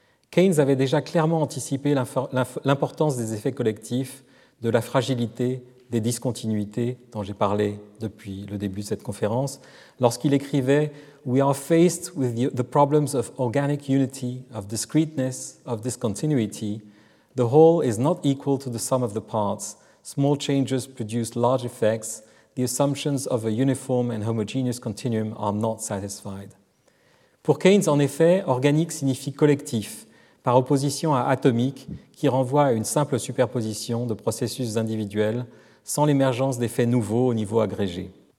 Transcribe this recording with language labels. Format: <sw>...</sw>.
<fr>Keynes avait déjà clairement anticipé l'importance des effets collectifs, de la fragilité, des discontinuités dont j'ai parlé depuis le début de cette conférence, lorsqu'il écrivait «</fr> <en>We are faced with the problems of organic unity, of discreteness, of discontinuity. The whole is not equal to the sum of the parts. Small changes produce large effects. The assumptions of a uniform and homogeneous continuum are not satisfied.</en> <fr>» Pour Keynes, en effet, « organique » signifie « collectif », par opposition à « atomique », qui renvoie à une simple superposition de processus individuels sans l'émergence d'effets nouveaux au niveau agrégé.</fr>